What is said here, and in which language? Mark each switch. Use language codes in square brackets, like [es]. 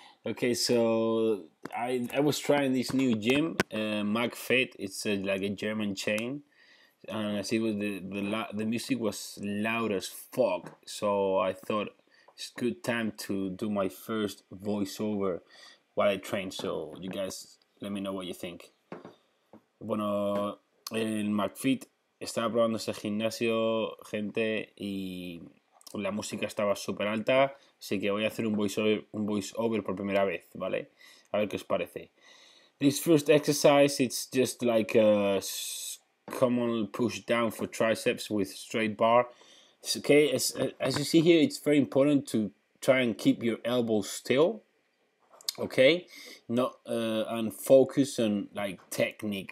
[en] Okay, so I was trying this new gym, Mac Fit. It's like a German chain. And I see the music was loud as fuck. So I thought it's a good time to do my first voiceover while I train. So you guys, let me know what you think. [es] Bueno, en McFit estaba probando ese gimnasio, gente, y la música estaba súper alta, así que voy a hacer un voiceover por primera vez, ¿vale? A ver qué os parece. [en] This first exercise, it's just like a common push down for triceps with straight bar. It's okay, as you see here, it's very important to try and keep your elbows still. Okay, not and focus on like technique.